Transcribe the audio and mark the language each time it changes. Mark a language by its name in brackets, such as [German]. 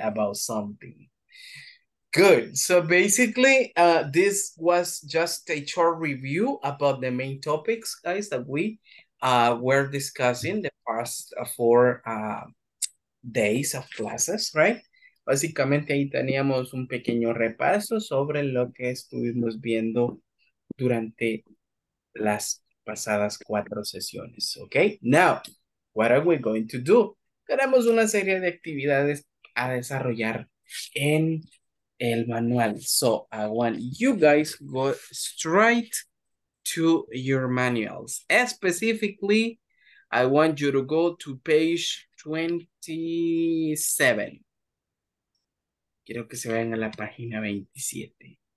[English] About something. Good. So basically, this was just a short review about the main topics, guys, that we were discussing the past four days of classes, right? [Spanish] Básicamente, ahí teníamos un pequeño repaso sobre lo que estuvimos viendo durante las pasadas cuatro sesiones, okay? [English] Now, what are we going to do? [Spanish] Tenemos una serie de actividades a desarrollar en el manual. [English] So I want you guys go straight to your manuals. Specifically, I want you to go to page 27. [Spanish] Quiero que se vayan a la página 27.